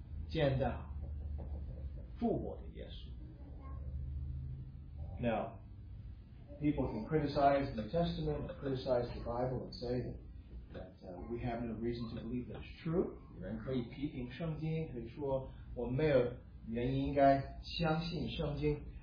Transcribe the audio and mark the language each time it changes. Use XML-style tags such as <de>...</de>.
<zh>因为他们拒绝否认他们亲眼见到复活的耶稣。</zh> <en>Now, people can criticize the New Testament, criticize the Bible, and say that we have no reason to believe that it's true.</en> <zh>有人可以批评圣经，可以说我没有原因应该相信圣经。</zh>